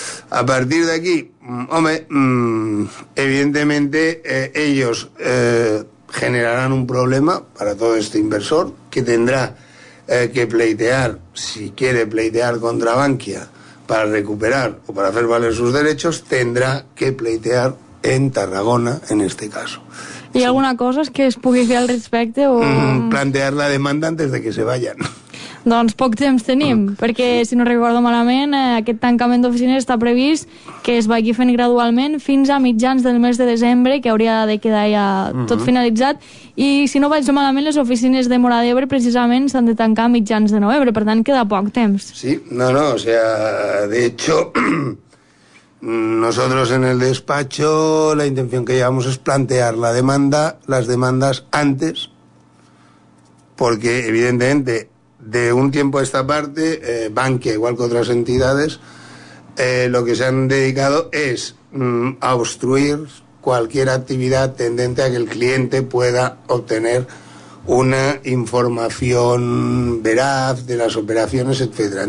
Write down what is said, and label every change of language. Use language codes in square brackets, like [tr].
[es] A partir de aquí, hombre, evidentemente ellos generarán un problema para todo este inversor, que tendrá que pleitear, si quiere pleitear contra Bankia para recuperar o para hacer valer sus derechos, tendrá que pleitear en Tarragona, en este caso. [ca] ¿Hi ha alguna cosa que es pugui fer al respecte? [es] O plantear la demanda antes de que se vayan. [ca] Doncs poc temps tenim, perquè si no recordo malament, aquest tancament d'oficines està previst que es vagi fent gradualment fins a mitjans del mes de desembre, que hauria de quedar ja tot finalitzat, i si no vaig malament, les oficines de Mora d'Ebre precisament s'han de tancar a mitjans de novembre, per tant queda poc temps. [es] Sí, no, o sea, de hecho, nosotros en el despacho la intención que llevamos es plantear la demanda, las demandas antes, porque evidentemente de un tiempo a esta parte, Bankia, igual que otras entidades, lo que se han dedicado es a obstruir cualquier actividad tendente a que el cliente pueda obtener una información veraz de las operaciones, etcétera.